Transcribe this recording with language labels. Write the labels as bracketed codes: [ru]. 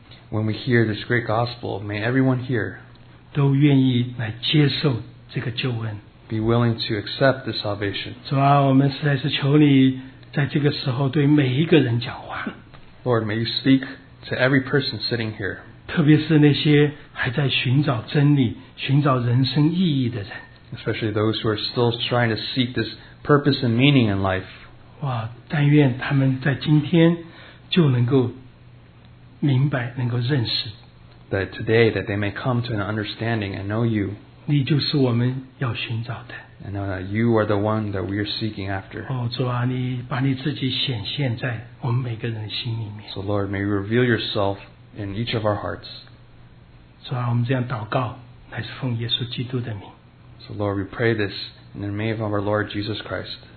[en] when we hear this great gospel, may everyone hear, [zh] 都愿意来接受这个救恩。 [en] Be willing to accept this salvation. [zh] 主啊，我们实在是求你在这个时候对每一个人讲话。 [en] Lord, may you speak to every person sitting here. [zh] 特别是那些还在寻找真理、寻找人生意义的人。 [en] Especially those who are still trying to seek this purpose and meaning in life. [zh] 哇，但愿他们在今天就能够明白、能够认识。 [en] That today that they may come to an understanding and know you. [zh] 你就是我们要寻找的。 [en] And know that you are the one that we are seeking after. [zh] 哦，主啊，你把你自己显现在我们每个人的心里面。 [en] So Lord, may you reveal yourself in each of our hearts. [zh] 主啊，我们这样祷告，乃是奉耶稣基督的名。 [en] So Lord, we pray this in the name of our Lord Jesus Christ.